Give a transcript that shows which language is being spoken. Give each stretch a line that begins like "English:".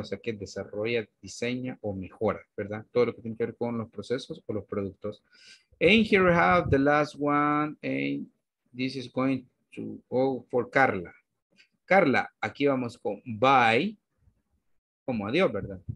Spanish: O sea, que desarrolla, diseña o mejora, ¿verdad? Todo lo que tiene que ver con los procesos o los productos.
English: And here we have the last one, and this is going to go for Carla.
Spanish: Carla, aquí vamos con buy, como adiós, ¿verdad?